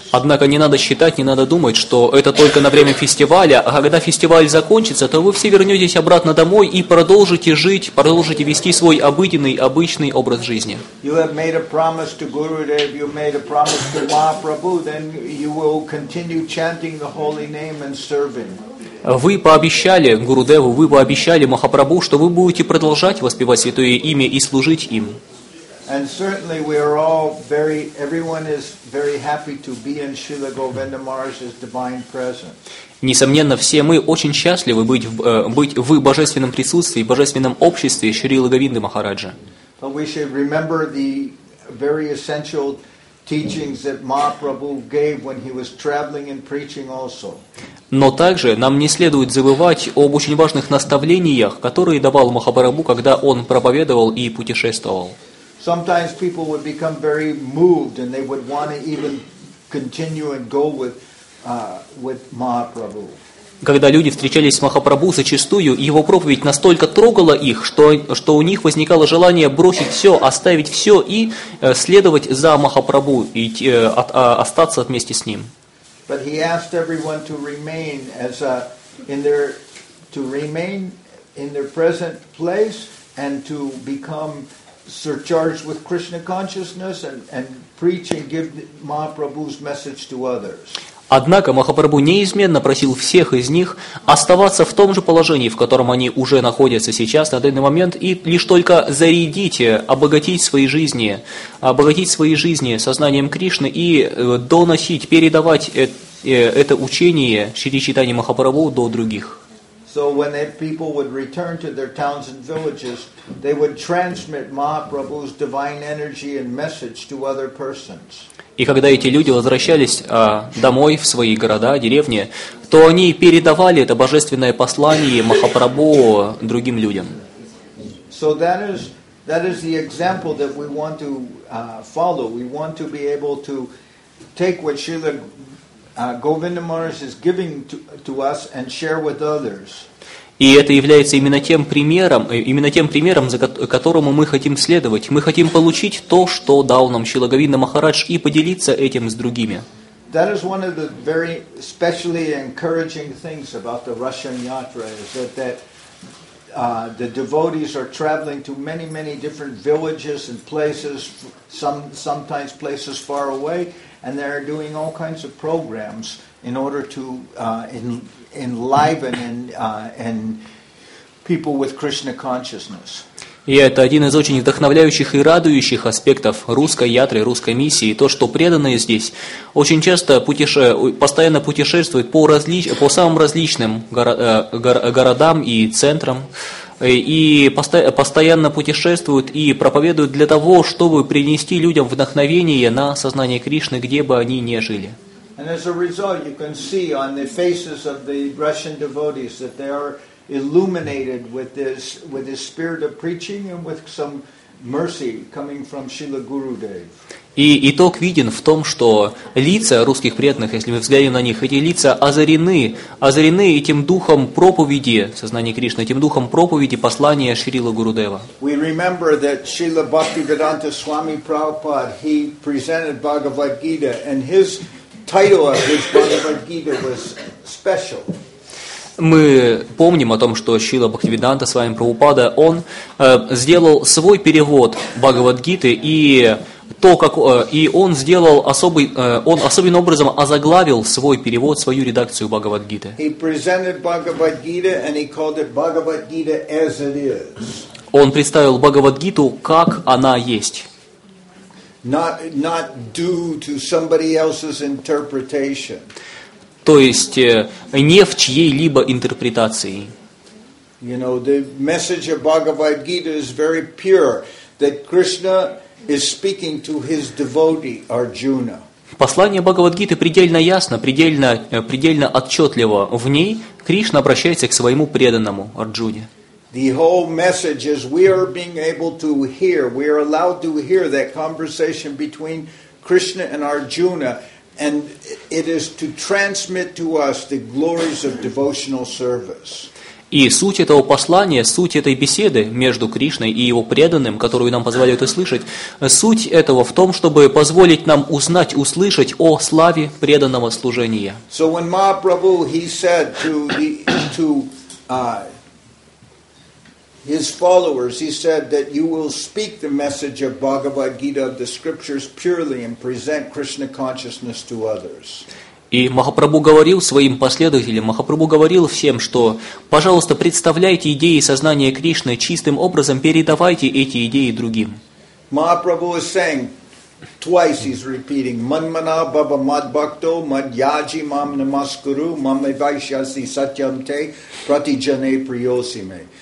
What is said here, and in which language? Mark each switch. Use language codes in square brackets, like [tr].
[ru] Однако, не надо считать, не надо думать, что это только на время фестиваля, а когда фестиваль закончится, то вы все вернетесь обратно домой и продолжите жить, продолжите вести свой обыденный, обычный образ жизни. [en] You have made a promise to Gurudev, you made a promise to Mahaprabhu, then you will continue chanting the holy name and serving. [ru] Вы пообещали Гурудеву, вы пообещали Махапрабху, что вы будете продолжать воспевать Святое Имя и служить им. [en] And certainly we are all very, everyone is very happy to be in Srila Govinda Maharaj's divine presence. [ru] Несомненно, все мы очень счастливы быть в божественном присутствии, в божественном обществе Шрилы Говинды Махараджа. [en] But we should remember the very essential teachings that Mahaprabhu gave when he was traveling and preaching also. [ru] Но также нам не следует забывать об очень важных наставлениях, которые давал Махапрабху, когда он проповедовал и путешествовал. [en] Sometimes people would become very moved and they would want to even continue and go with Mahaprabhu. [ru] Когда люди встречались с Махапрабху, зачастую его проповедь настолько трогала их, что у них возникало желание бросить все, оставить все и следовать за Махапрабху, и остаться вместе с ним. [en] But he asked everyone to remain as a, in their present place and to become surcharged with Krishna consciousness and preach and give Mahaprabhu's message to others. [ru] Однако Махапрабху неизменно просил всех из них оставаться в том же положении, в котором они уже находятся сейчас, на данный момент, и лишь только зарядить, обогатить свои жизни сознанием Кришны и доносить, передавать это учение Шри Чайтанья Махапрабху до других. [en] So when the people would return to their towns and villages, they would transmit Mahaprabhu's divine energy and message to other persons. [ru] И когда эти люди возвращались домой, в свои города, деревни, то они передавали это божественное послание Махапрабху другим людям. [en] So that is the example that we want to follow. We want to be able to take what Srila Govinda Maharaj is giving to us and share with others. [ru] И это является именно тем примером, за которому мы хотим следовать. Мы хотим получить то, что дал нам Шрила Говинда Махарадж, и поделиться этим с другими. [en] That is one of the very specially encouraging things about the Russian Yatra, is that the devotees are traveling to many, many different villages and places, sometimes places far away, and they are doing all kinds of programs in order to enliven and people with Krishna consciousness. [ru] И это один из очень вдохновляющих и радующих аспектов русской ятры, русской миссии. То, что преданные здесь очень часто постоянно путешествуют по самым различным городам и центрам, и постоянно путешествуют и проповедуют для того, чтобы принести людям вдохновение на сознание Кришны, где бы они ни жили. [en] And as a result, you can see on the faces of the Russian devotees that they are illuminated with this spirit of preaching and with some mercy coming from Srila Gurudev. [ru] И итог виден в том, что лица русских преданных, если мы взглянем на них, эти лица озарены этим духом проповеди сознания Кришны, этим духом проповеди послания Шрилы Гурудева. [en] We remember that Srila Bhaktivedanta Swami Prabhupada, he presented Bhagavad Gita, and his title of his Bhagavad Gita was special. [ru] Мы помним о том, что Шрила Бхактивиданта Свами Прабхупада, он сделал свой перевод Бхагавад-гиты, и то, как и он сделал особый, он особенным образом озаглавил свой перевод, свою редакцию Бхагавад-гиты. [en] He presented Bhagavad-gita and he called it Bhagavad-gita as it is. [ru] Он представил Бхагавад-гиту, как она есть. [en] Not due to somebody else's interpretation. [ru] То есть не в чьей-либо интерпретации. [en] You know, the message of Bhagavad-gita is very pure, that Krishna is speaking to his devotee Arjuna. [ru] Послание Бхагавад-гиты предельно ясно, предельно отчетливо. В ней Кришна обращается к своему преданному Арджуне. [en] The whole message is we are being able to hear, we are allowed to hear that conversation between Krishna and Arjuna, and it is to transmit to us the glories of devotional service. [ru] И суть этого послания, суть этой беседы между Кришной и его преданным, которую нам позволяют услышать, суть этого в том, чтобы позволить нам узнать, услышать о славе преданного служения. [en] So when Mahaprabhu, he said to his followers, he said that you will speak the message of Bhagavad Gita, of the scriptures purely and present Krishna consciousness to others. [ru] И Махапрабху говорил своим последователям, Махапрабху говорил всем, что, пожалуйста, представляйте идеи сознания Кришны чистым образом, передавайте эти идеи другим. [en] Махапрабху is saying, twice he's repeating, [sa] Manmana Baba Madbhakto Madhyaji Mam Namaskuru Mam Vaishyasi Satyam Te Pratijane Priyosime.